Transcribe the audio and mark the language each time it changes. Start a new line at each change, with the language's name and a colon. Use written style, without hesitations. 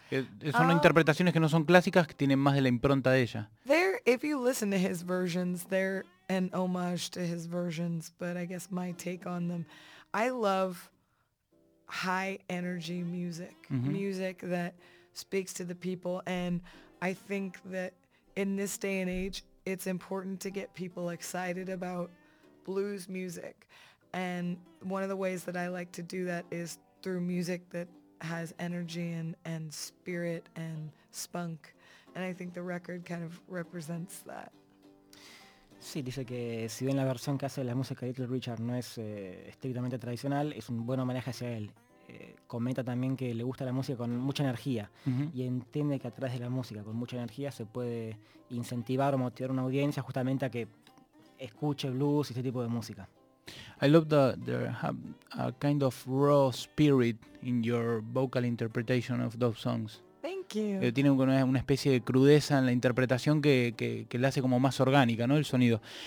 Spanish: Son interpretaciones que no son clásicas, que tienen más de la impronta de ella.
English: They're, if you listen to his versions, they're an homage to his versions, but I guess my take on them. I love high energy music, music that speaks to the people, and I think that in this day and age, it's important to get people excited about blues music. And one of the ways that I like to do that is through music that has energy and spirit and spunk. And I think the record kind of represents that.
Spanish: Sí, dice que si bien la versión que hace la música de Little Richard no es estrictamente tradicional, es un buen homenaje hacia él. comenta también que le gusta la música con mucha energía, uh-huh, y entiende que a través de la música con mucha energía se puede incentivar o motivar una audiencia justamente a que escuche blues y este tipo de música.
English: I love that there have a kind of raw spirit in your vocal interpretation of those songs. Thank you.
Spanish: Tiene una especie de crudeza en la interpretación que la hace como más orgánica, ¿no? El sonido.